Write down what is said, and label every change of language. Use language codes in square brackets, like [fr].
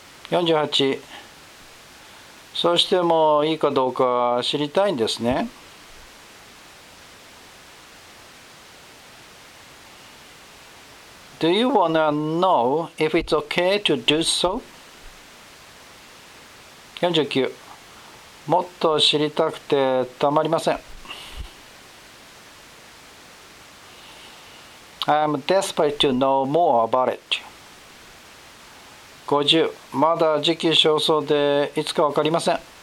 [en] 48. [ja] そしてもいいかどうか知りたいんですね。 [en] Do you wanna know if it's okay to do so? 49. [ja] もっと知りたくてたまりません。 [en] I'm desperate to know more about it. 50. [ja] まだ時期尚早でいつかわかりません。